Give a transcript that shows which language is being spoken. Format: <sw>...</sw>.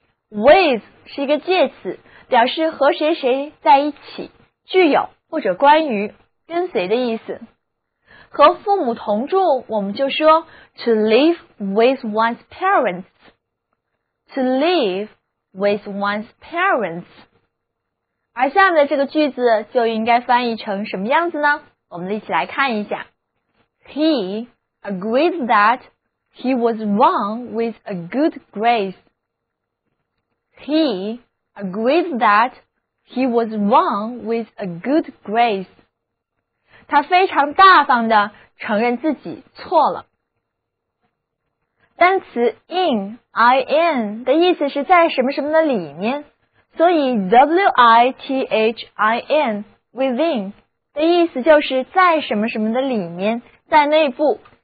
<zh>With 是一个介词，表示和谁谁在一起，具有或者关于，跟随的意思。和父母同住，我们就说</zh> <en>to live with one's parents. To live with one's parents.</en> <zh>而下面的这个句子就应该翻译成什么样子呢？我们一起来看一下。</zh> <en>He agreed that he was wrong with a good grace. He agreed that he was wrong with a good grace.</en> <zh>他非常大方地承认自己错了。单词 in, I-N 的意思是在什么什么的里面，所以 W-I-T-H-I-N, within, 的意思就是在什么什么的里面，在内部。</zh>